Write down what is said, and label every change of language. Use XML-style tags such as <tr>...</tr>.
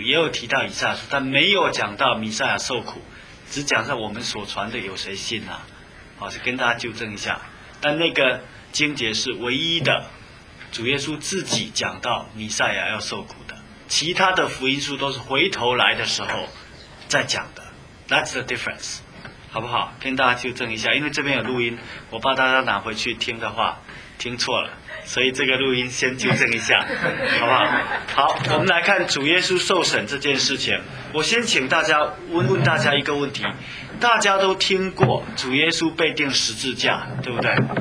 <zh>也有提到以赛亚书，但没有讲到弥赛亚受苦，只讲到我们所传的有谁信啊。好，是跟大家纠正一下，但那个经节是唯一的主耶稣自己讲到弥赛亚要受苦的，其他的福音书都是回头来的时候再讲的。</zh> <en>That's the difference，</en> <zh>好不好？跟大家纠正一下，因为这边有录音，我怕大家拿回去听的话听错了，所以这个录音先纠正一下，好不好？好，我们来看主耶稣受审这件事情。我先请大家问大家一个问题，大家都听过主耶稣被钉十字架，对不对？</zh>